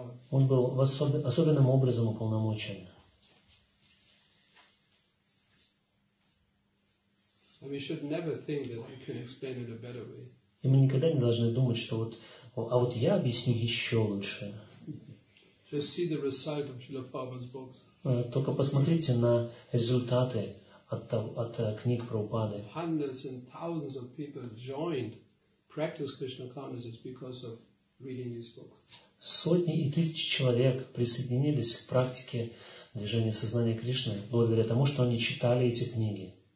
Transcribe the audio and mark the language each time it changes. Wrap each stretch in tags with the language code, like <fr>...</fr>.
<ru>Он был особенным образом уполномочен. И мы никогда не должны думать, что вот, а вот я объясню еще лучше.</ru> <en>Just see the result of Srila Prabhupada's books.</en> <ru>Только посмотрите на результаты от книг Прабхупады.</ru> <en>Hundreds and thousands of people joined, practiced Krishna consciousness because of reading these books.</en> <ru>Сотни и тысячи человек присоединились к практике движения сознания Кришны благодаря тому, что они читали эти книги.</ru>